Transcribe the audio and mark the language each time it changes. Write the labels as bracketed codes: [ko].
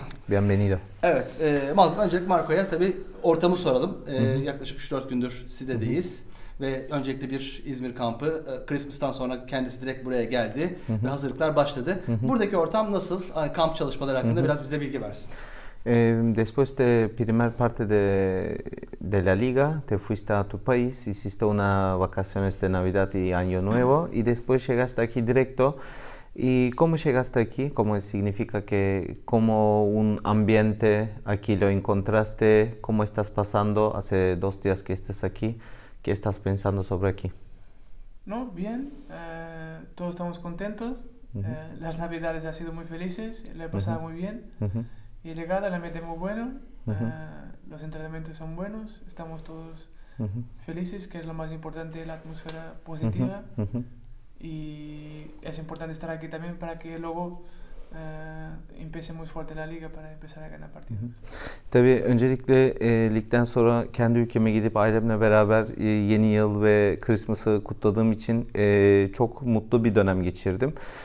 [es] Bienvenido. [tr] Evet. Mazlum öncelikle Marco'ya tabii ortamı soralım. Yaklaşık 3-4 gündür sitedeyiz. Ve öncelikle bir İzmir kampı. Christmas'tan sonra kendisi direkt buraya geldi. Ve hazırlıklar başladı. Buradaki ortam nasıl? Hani kamp çalışmaları hakkında biraz bize bilgi versin. [es] Después de primer parte de la liga, te fuiste a tu país, hiciste una vacaciones de Navidad y Año Nuevo y después llegaste aquí directo. ¿Y cómo llegaste aquí? ¿Cómo significa que, cómo un ambiente aquí lo encontraste? ¿Cómo estás pasando hace dos días que estés aquí? ¿Qué estás pensando sobre aquí? No, bien, todos estamos contentos, las Navidades han sido muy felices, lo he pasado muy bien. Y llegada la mete muy bueno, los entrenamientos son buenos, estamos todos felices, que es lo más importante, la atmósfera positiva. Y es importante estar aquí también para que luego empiece muy fuerte la liga para empezar a ganar partidos. [tr] Tabii öncelikle ligden sonra kendi ülkeme gidip ailemle beraber yeni yıl ve Christmas'ı kutladığım için çok mutlu bir dönem geçirdim.